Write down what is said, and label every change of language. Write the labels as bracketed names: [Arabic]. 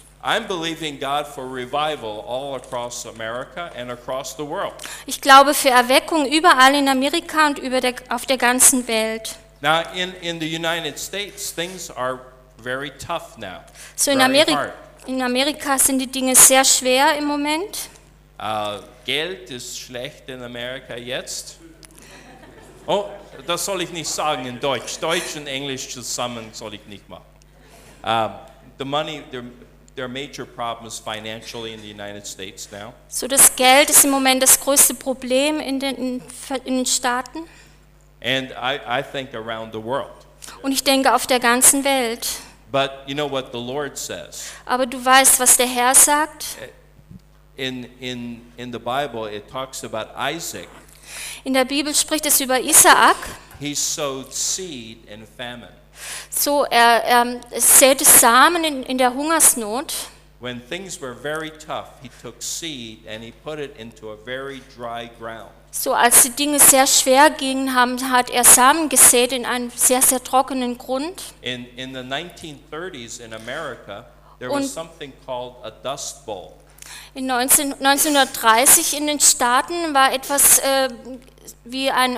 [English] I'm believing God for revival all across America and across the world. [German] Ich glaube für Erweckung überall in Amerika und auf der ganzen Welt. [English] Now in the United States, things are very tough now. [German] So in Amerika sind die Dinge sehr schwer im Moment. Geld ist schlecht in Amerika jetzt. Oh, das soll ich nicht sagen in Deutsch. Deutsch und Englisch zusammen soll ich nicht machen. [English] The money, there are major problems financially in the United States now. [German] So das Geld ist im Moment das größte Problem in den Staaten. [English] And I think around the world. [German] Und ich denke auf der ganzen Welt. [English] But you know what the Lord says. [German] Aber du weißt, was der Herr sagt. [English] In the Bible it talks about Isaac. [German] In der Bibel spricht es über Isaak. [English] He sowed seed in famine. [German] So er säte Samen in der Hungersnot. [English] When things were very tough, he took seed and he put it into a very dry ground. [German] So als die Dinge sehr schwer gingen, hat er Samen gesät in einen sehr sehr trockenen Grund. [English] In the 1930s in America, there was something called a dust bowl. [German] In 1930 in den Staaten war etwas wie ein